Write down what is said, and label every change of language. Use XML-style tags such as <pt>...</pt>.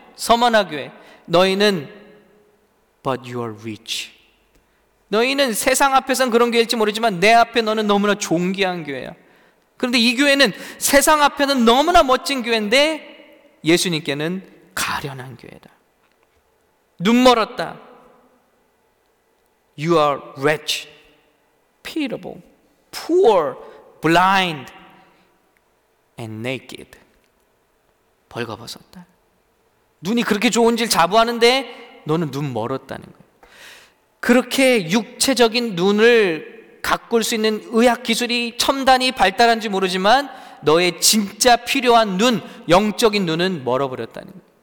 <ko>서머나 교회. 너희는</ko> <en>But you are rich.</en> <ko>너희는 세상 앞에서는 그런 교회일지 모르지만 내 앞에 너는 너무나 존귀한 교회야. 그런데 이 교회는 세상 앞에는 너무나 멋진 교회인데 예수님께는 가련한 교회다. 눈 멀었다.</ko> <en>You are rich, pitiable, poor, blind, and naked.</en> <ko>벌거벗었다. 눈이 그렇게 좋은지를 자부하는데 너는 눈 멀었다는 거야. 그렇게 육체적인 눈을 가꿀 수 있는 의학기술이 첨단이 발달한지 모르지만 너의 진짜 필요한 눈, 영적인 눈은 멀어버렸다는 거예요.</ko>